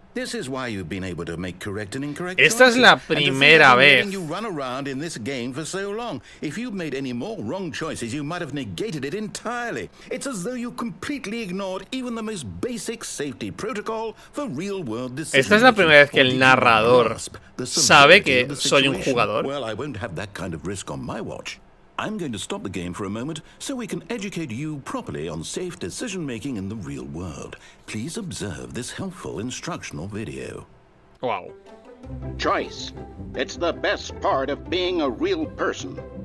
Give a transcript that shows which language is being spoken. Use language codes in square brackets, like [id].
[en] This is why you've been able to make correct and incorrect. [es] Esta es la primera vez. [en] You run around in this game for so long. If you've made any more wrong choices, you might have negated it entirely. It's as though you completely ignored even the most basic safety protocol for real world decisions. [es] Esta es la primera vez que el narrador sabe que soy un jugador. [en] Well, I won't have that kind of risk on my watch. I'm going to stop the game for a moment so we can educate you properly on safe decision making in the real world. Please observe this helpful instructional video. Wow. Choice. It's the best part of being a real person.